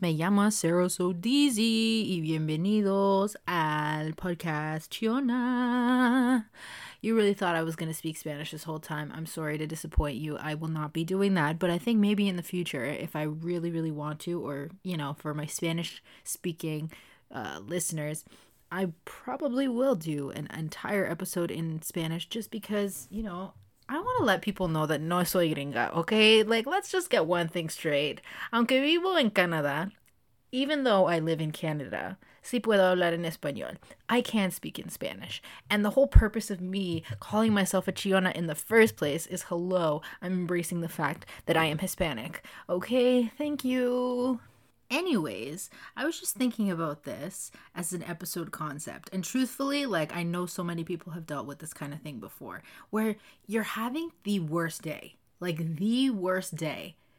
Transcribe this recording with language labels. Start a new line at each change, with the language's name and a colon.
Spanish: Me llamo Ceroso Dizzy y bienvenidos al podcast Chiona.
English: You really thought I was going to speak Spanish this whole time. I'm sorry to disappoint you. I will not be doing that, but I think maybe in the future, if I really, really want to, or, for my Spanish speaking listeners, I probably will do an entire episode in Spanish just because, I want to let people know that
Spanish: no soy gringa,
English: okay? Like, let's just get one thing straight.
Spanish: Aunque vivo en Canadá,
English: even though I live in Canada,
Spanish: sí puedo hablar en español.
English: I can speak in Spanish. And the whole purpose of me calling myself a Chiona in the first place is hello, I'm embracing the fact that I am Hispanic. Okay, thank you. Anyways, I was just thinking about this as an episode concept. And truthfully, like, I know so many people have dealt with this kind of thing before, where you're having the worst day, like, the worst day.